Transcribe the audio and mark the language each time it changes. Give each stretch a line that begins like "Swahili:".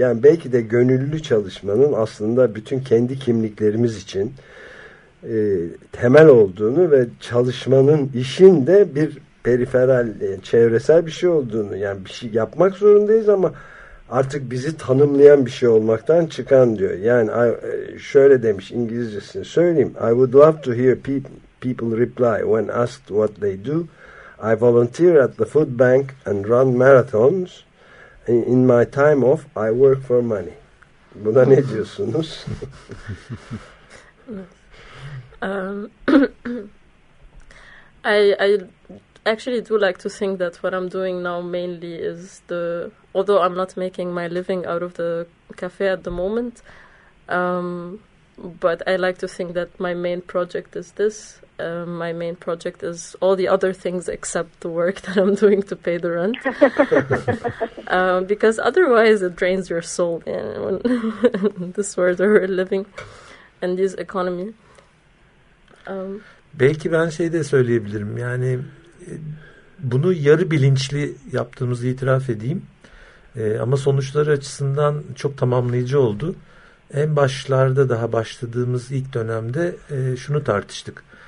Turkish: Yani belki de gönüllü çalışmanın aslında bütün kendi kimliklerimiz için temel olduğunu ve çalışmanın, işin de bir periferal, çevresel bir şey olduğunu, yani bir şey yapmak zorundayız ama artık bizi tanımlayan bir şey olmaktan çıkan diyor. Yani şöyle demiş, İngilizcesini söyleyeyim.
English: I would love to hear people reply when asked what they do. I volunteer at the food bank and run marathons. In my time off, I work for money.
Turkish: Buna ne diyorsunuz?
English: I actually do like to think that what I'm doing now mainly is the, although I'm not making my living out of the cafe at the moment, but I like to think that my main project is this. My main project is all the other things except the work that I'm doing to pay the rent. because otherwise it drains your soul in this world where we're living and this economy.
Turkish: Belki ben şey de söyleyebilirim. Yani bunu yarı bilinçli yaptığımızı itiraf edeyim. Ama sonuçları açısından çok tamamlayıcı oldu. En başlarda, daha başladığımız ilk dönemde şunu tartıştık.